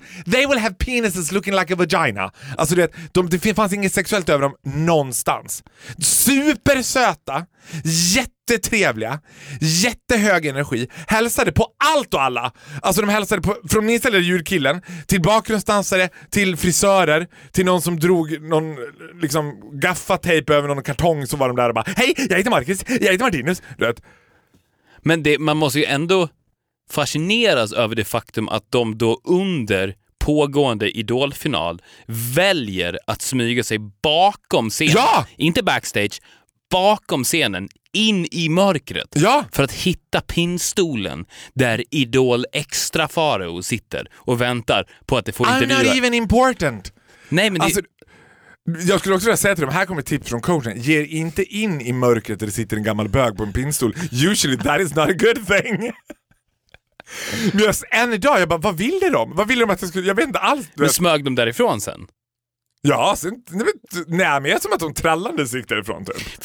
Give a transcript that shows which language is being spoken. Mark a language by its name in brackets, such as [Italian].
[English] Men, they will have penises looking like a vagina. [Swedish] Alltså du vet, det fanns inget sexuellt över dem någonstans. Supersöta, jättetrevliga, jättehög energi. Hälsade på allt och alla. Alltså de hälsade på, från minst eller djurkillen till bakgrundsdansare, till frisörer, till någon som drog någon liksom gaffatejp över någon kartong, så var de där och bara, hej, jag heter Marcus, jag heter Martinus. Du vet. Men det, man måste ju ändå fascineras över det faktum att de då under pågående idolfinal väljer att smyga sig bakom scenen. Ja! Inte backstage, bakom scenen, in i mörkret. Ja! För att hitta pinstolen där idol extra Faro sitter och väntar på att det får intervjua. [English] I'm not even important! [Swedish] Nej, men alltså, jag skulle också vilja säga till dem, här kommer ett tips från coachen. Ge inte in i mörkret där det sitter en gammal bög på en pinstol. [English] Usually that is not a good thing. [Swedish] Men just än idag, jag bara, vad vill de? Vad vill de att jag skulle, jag vet inte alls. Men smög de därifrån sen? Ja, sen, nej, men jag är som att de trallande sig därifrån typ.